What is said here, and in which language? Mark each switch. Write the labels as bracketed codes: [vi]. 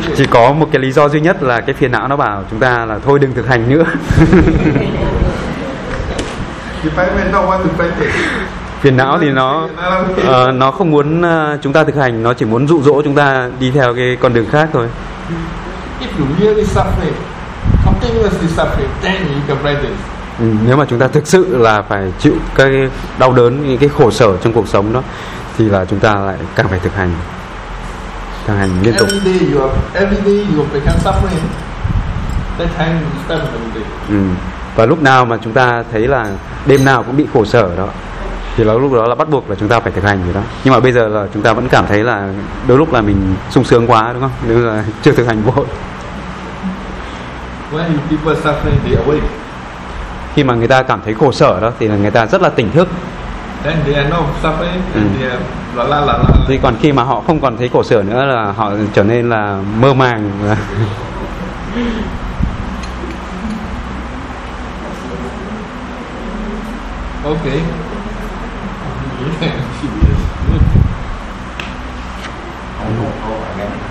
[vi] Chỉ có một cái lý do duy nhất là cái phiền não nó bảo chúng ta là thôi đừng thực hành nữa. [en] Defilement not want to practice. [vi] Phiền não thì nó không muốn chúng ta thực hành, nó chỉ muốn dụ dỗ chúng ta đi theo cái con đường khác thôi. [en] If you really suffering, continuously suffering, then you can practice. [vi] Nếu mà chúng ta thực sự là phải chịu cái đau đớn, những cái khổ sở trong cuộc sống đó, thì là chúng ta lại càng phải thực hành liên tục. [en] Every day you become suffering. That time you start from the day. [vi] Và lúc nào mà chúng ta thấy là đêm nào cũng bị khổ sở đó, thì lúc đó là bắt buộc là chúng ta phải thực hành rồi đó. Nhưng mà bây giờ là chúng ta vẫn cảm thấy là đôi lúc là mình sung sướng quá, đúng không? Nếu là chưa thực hành vội. [en] When people suffering, they awake. [vi] Khi mà người ta cảm thấy khổ sở đó thì là người ta rất là tỉnh thức. [en] Then they are not suffering, they are la. [vi] Thì còn khi mà họ không còn thấy khổ sở nữa là họ trở nên là mơ màng. [en] Yeah. Okay. [vi] Không có câu hỏi ngắn.